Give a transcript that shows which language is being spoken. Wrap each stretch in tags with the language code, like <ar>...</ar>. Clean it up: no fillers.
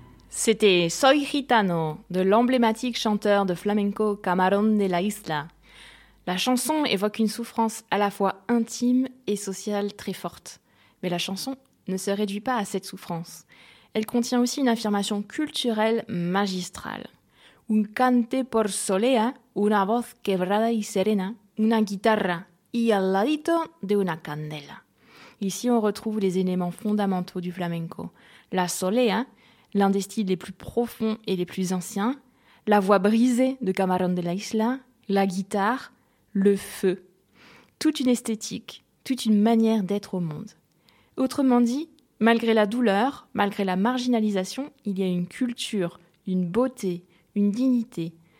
<fr>C'était Soy Gitano, de l'emblématique chanteur de flamenco Camarón de la Isla. La chanson évoque une souffrance à la fois intime et sociale très forte. Mais la chanson ne se réduit pas à cette souffrance. Elle contient aussi une affirmation culturelle magistrale.</fr> <es>Un cante por solea, una voz quebrada y serena, una guitarra y al ladito de una candela.</es> <fr>Ici, on retrouve les éléments fondamentaux du flamenco. La solea, l'un des styles les plus profonds et les plus anciens, la voix brisée de Camarón de la Isla, la guitare, le feu. Toute une esthétique, toute une manière d'être au monde. Autrement dit, malgré la douleur, malgré la marginalisation, il y a une culture, une beauté, une dignité.</fr>